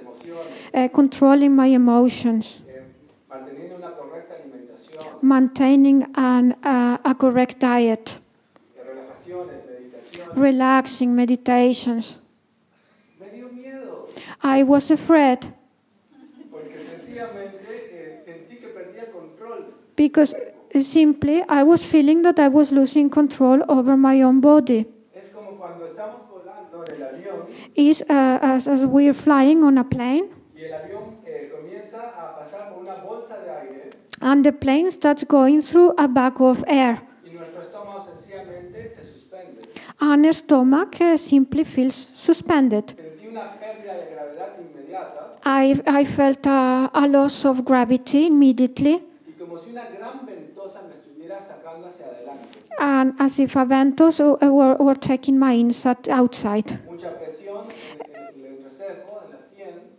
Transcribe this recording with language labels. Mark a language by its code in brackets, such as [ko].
[es] emociones, [en] controlling my emotions, maintaining a correct diet, relaxing meditations. [es] Me dio miedo. [en] I was afraid [es] sentí que perdía control. [en] Because simply I was feeling that I was losing control over my own body. [es] Es como cuando estamos volando en el avión, [en] is as we are flying on a plane. [es] Y el avión, comienza a pasar por una bolsa de aire. [en] And the plane starts going through a bag of air. [es] Y nuestro estómago sencillamente se suspende. [en] And our stomach simply feels suspended. [es] Sentí una pérdida de gravedad inmediata. [en] I felt a loss of gravity immediately. [es] Y como si una gran ventosa me estuviera sacando hacia adelante. [en] And as if a ventos were taking my inside outside. [es] Mucha presión en el reservo, en la sien.